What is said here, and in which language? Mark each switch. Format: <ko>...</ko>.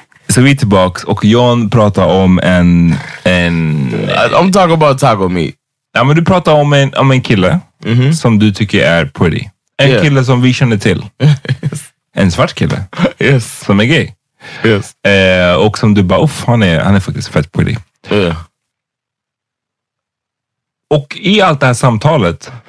<sv>Så vi är tillbaka och John pratar om en...</sv> <en>I'm talking about taco meat.</en> <sv>Ja, men du pratar om en kille mm-hmm. som du tycker är pretty. En yeah. kille som vi känner till.</sv> <en>Yes.</en> <sv>En svart kille.</sv> <en>Yes.</en> <sv>Som är gay.</sv> <en>Yes.</en> <sv>Och som du bara, han är faktiskt fett pretty. Ja. Yeah. Och i allt det här samtalet...</sv>